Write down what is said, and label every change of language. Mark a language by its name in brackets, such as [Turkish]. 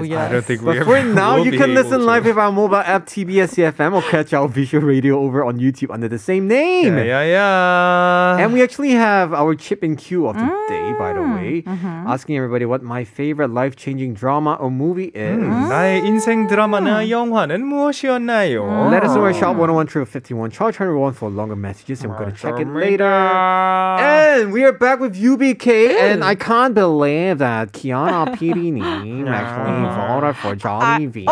[English] Oh, yes. I don't think but we for ever now, you can listen to live with our mobile app, TBS CFM, or catch our visual radio over on YouTube under the same name. Yeah. And we actually have our chip in queue of the day, by the way, asking everybody what my favorite life-changing drama or movie is. [Korean] 나의 인생 드라마나 영화는 무엇이었나요? [English] Let us know at shop 101-51, charge 101 for longer messages, and we're going to check it later. And we are back with UBK, and I can't believe that Kiana PD님 actually voted for Jollibee.